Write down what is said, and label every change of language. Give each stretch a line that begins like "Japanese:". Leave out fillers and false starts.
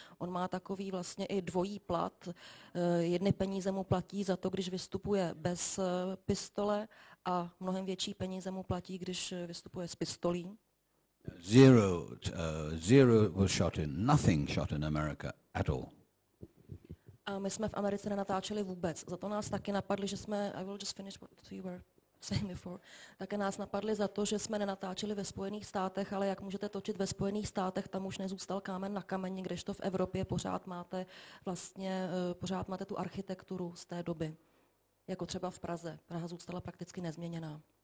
Czech: On má takový vlastně i dvojí plat. Jedny peníze mu platí za to, když vystupuje bez pistole a mnohem větší peníze mu platí, když vystupuje s pistolí.
English: Zero was shot in, nothing shot in America at all.
Czech: A my jsme v Americe nenatáčeli vůbec. Za to nás taky napadli, že jsme...
English: I will just finish what you were saying before.
Czech: Také nás napadli za to, že jsme nenatáčeli ve Spojených státech, ale jak můžete točit ve Spojených státech, tam už nezůstal kámen na kameni, kdežto v Evropě pořád máte vlastně, pořád máte tu architekturu z té doby. Jako třeba v Praze. Praha zůstala prakticky nezměněná.